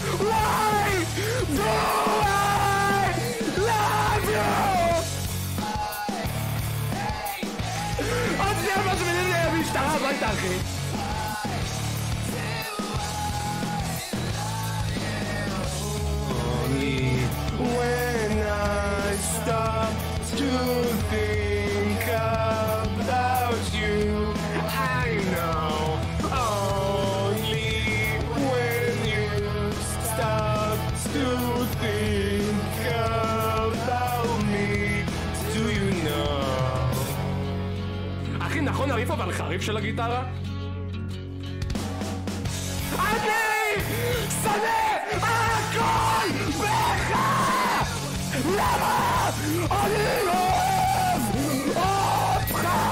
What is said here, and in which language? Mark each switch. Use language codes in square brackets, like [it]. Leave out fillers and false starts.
[en] Why do I love you? [he] עוד שנייה מזמינים לי המשטרה, בוא איתה אחי. [en] When I stop to think about you, I know only when you stop to think about me, do you know? [he] אחי, נכון הריף אבל חריף של הגיטרה? אני שונא הכל בך! למה? אני אוהב אותך!